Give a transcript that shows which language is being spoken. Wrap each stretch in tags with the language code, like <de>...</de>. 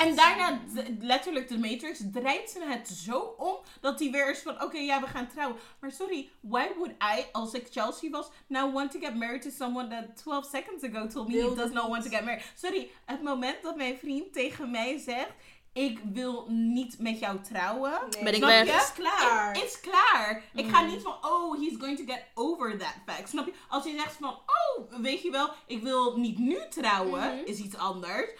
<nl>En daarna, letterlijk de Matrix, draait ze het zo om dat hij weer is van, oké, ja, we gaan trouwen.</nl> <en>Maar sorry, why would I,</en> <nl>als ik Chelsea was,</nl> <en>now want to get married to someone that 12 seconds ago told me he does not want to get married?</en> <nl>Sorry, het moment dat mijn vriend tegen mij zegt, ik wil niet met jou trouwen. Nee. Ben ik weg? Het is klaar. Het is klaar. Ik ga niet van,</nl> <en>oh, he's going to get over that fact.</en> <nl>Snap je? Als je zegt van, oh, weet je wel, ik wil niet nu trouwen, is iets anders.</nl>